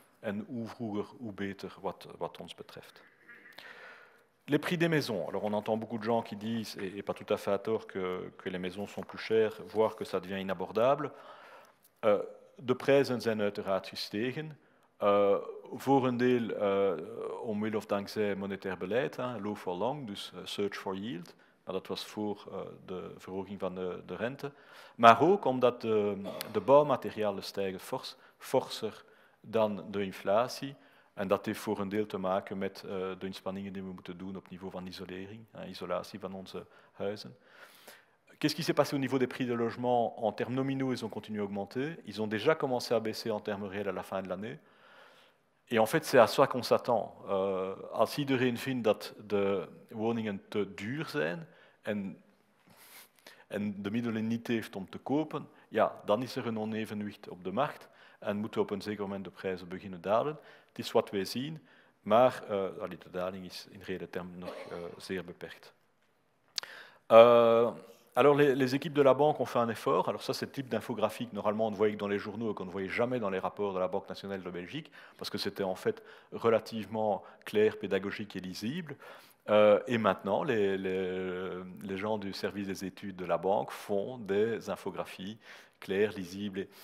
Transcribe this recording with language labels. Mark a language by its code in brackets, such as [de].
[nl] En hoe vroeger, hoe beter, wat ons betreft. [fr] Les prix des maisons. Alors, on entend beaucoup de gens qui disent, et pas tout à fait à tort, que les maisons sont plus chères, voire que ça devient inabordable. [nl] De prijzen zijn uiteraard gestegen. Voor een deel, omwille of dankzij monetair beleid, hein, [en] low for long, [nl] dus [en] search for yield. [nl] Maar dat was voor de verhoging van de rente. Maar ook omdat de bouwmaterialen stijgen forser dan de inflatie. En dat heeft voor een deel te maken met de inspanningen die we moeten doen op niveau van isolering, hein, isolatie van onze huizen. [fr] Qu'est-ce qui s'est passé au niveau des prix de logement? En termes nominaux, ils ont continué à augmenter. Ils ont déjà commencé à baisser en termes réels à la fin de l'année. Et en fait, c'est à ça qu'on s'attend. [nl] Als iedereen vindt dat de woningen te duur zijn en de middelen niet heeft om te kopen, ja, dan is er een onevenwicht op de markt en moeten op een zeker moment de prijzen beginnen dalen. Het is wat wij zien, maar de daling is in reële termen nog zeer beperkt. [fr] Alors, les équipes de la banque ont fait un effort. Alors ça, c'est le type d'infographie normalement on ne voyait que dans les journaux et qu'on ne voyait jamais dans les rapports de la Banque nationale de Belgique, parce que c'était en fait relativement clair, pédagogique et lisible. Et maintenant, les gens du service des études de la banque font des infographies claires, lisibles.